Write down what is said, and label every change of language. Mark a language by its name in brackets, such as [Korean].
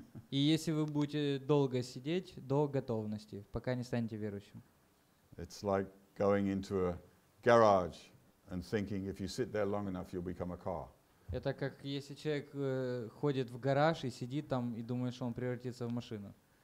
[Russian] И если вы будете долго сидеть до готовности, пока не станете верующим. [English] It's like going into a garage. And thinking, if you sit there long enough, you'll become a car. [Russian] Это как если человек ходит в гараж и сидит там и думает, что он превратится в машину.